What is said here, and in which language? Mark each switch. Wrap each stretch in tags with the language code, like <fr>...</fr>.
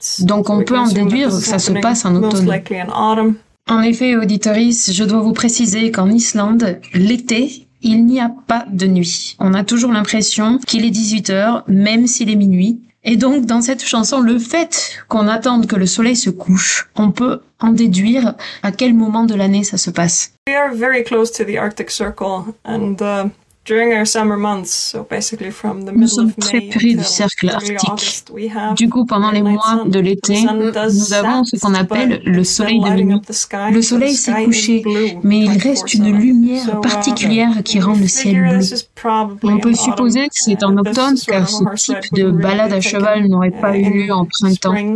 <fr>Donc on peut en déduire que ça se passe en automne. En effet, auditorice, je dois vous préciser qu'en Islande, l'été, il n'y a pas de nuit. On a toujours l'impression qu'il est 18h, même s'il est minuit. Et donc, dans cette chanson, le fait qu'on attende que le soleil se couche, on peut en déduire à quel moment de l'année ça se passe.</fr> <en>We are very close to the Arctic Circle, and during our summer months, so basically from the middle of May until early August, we have the night sun.</en> <fr>Du coup, pendant les mois de l'été, nous avons ce qu'on appelle le soleil de minuit. Le soleil s'est couché, mais il reste une lumière particulière qui rend le ciel bleu. On peut supposer que c'est en automne, car ce type de balade à cheval n'aurait pas eu lieu en printemps.</fr>